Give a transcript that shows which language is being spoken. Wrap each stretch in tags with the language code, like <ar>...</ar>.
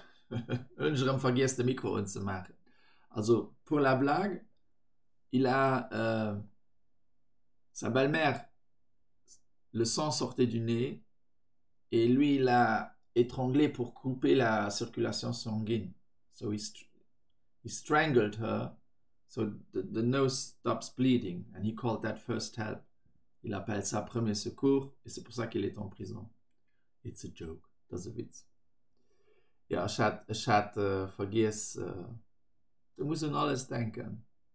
<de>Und ich habe vergessen, das Mikro zu machen.</de> <fr>Also, pour la blague, il a sa belle-mère, le sang sortait du nez, et lui, il a étranglé pour couper la circulation sanguine.</fr> <en>So, he strangled her, so the nose stops bleeding, and he called that first help.</en> <fr>Il appelle ça premier secours, et c'est pour ça qu'il est en prison.</fr> <en>It's a joke.</en> <de>Das ist ein Witz. Ja, ich hatte vergessen, du musst an alles denken.</de>